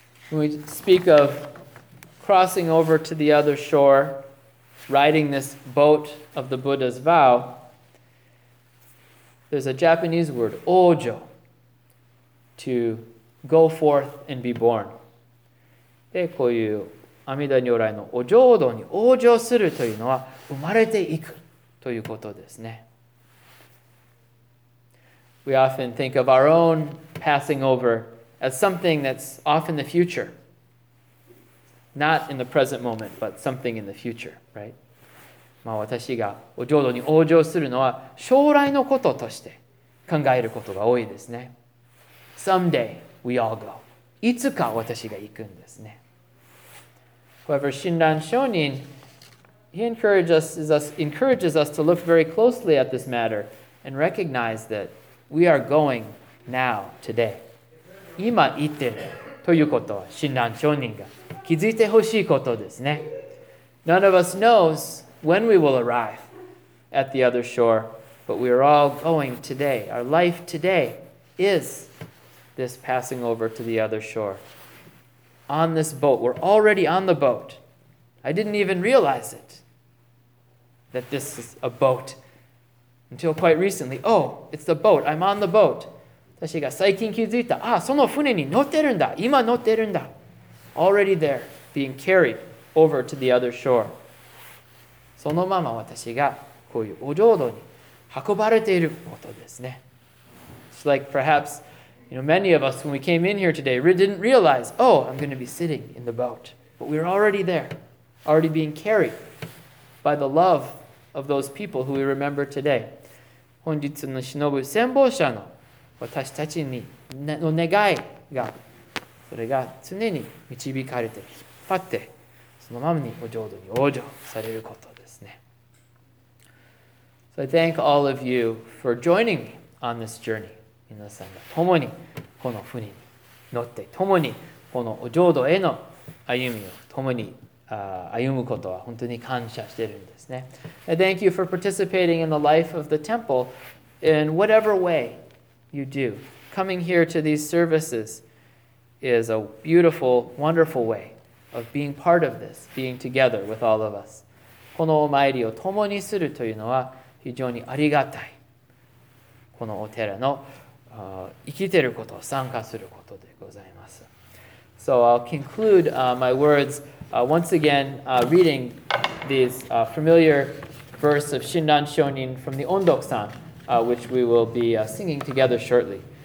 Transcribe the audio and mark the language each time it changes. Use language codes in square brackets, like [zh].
[en] When we speak of crossing over to the other shore, riding this boat of the Buddha's vow, there's a Japanese word, ojo, to go forth and be born. [ja] で、こういう阿弥陀如来のお浄土に往生するというのは生まれていくということですね。 [en] We often think of our own passing over as something that's off in the future. Not in the present moment, but something in the future, right? [ja] まあ私がお浄土に往生するのは将来のこととして考えることが多いですね。 [en] Someday we all go. [ja] いつか私が行くんですね。 [en] However, Shinran Shonin, he encourages us to look very closely at this matter and recognize that we are going now, today. [ja] 今行ってるということは、Shinran Shonin が気づいてほしいことですね。 [en] None of us knows when we will arrive at the other shore, but we are all going today. Our life today is this passing over to the other shore. On this boat, we're already on the boat. I didn't even realize it, that this is a boat, until quite recently. Oh, it's the boat. I'm on the boat. [ja] 私が最近気づいた。ああ、その船に乗ってるんだ。今乗ってるんだ。 [en] Already there, being carried over to the other shore. [ja] そのまま私がこういうお浄土に運ばれていることですね。 [en] It's like perhaps... You know, many of us, when we came in here today, didn't realize, oh, I'm going to be sitting in the boat. But we're already there, already being carried by the love of those people who we remember today. [ja] 本日の忍ぶ先方者の私たちにの願いが、それが常に導かれて、引っ張って、そのままにお浄土に往生されることですね。 [en] So I thank all of you for joining me on this journey. [ja] 皆さんが共にこの船に乗って共にこのお浄土への歩みを共に歩むことは本当に感謝しているんですね。 [en] And thank you for participating in the life of the temple in whatever way you do. Coming here to these services is a beautiful, wonderful way of being part of this, being together with all of us. [ja] このお参りを共にするというのは非常にありがたい。このお寺の生きてること、参加することでございます。 [en] So I'll conclude my words once again reading these familiar verse of Shinran Shonin from the Ondokusan, which we will be singing together shortly.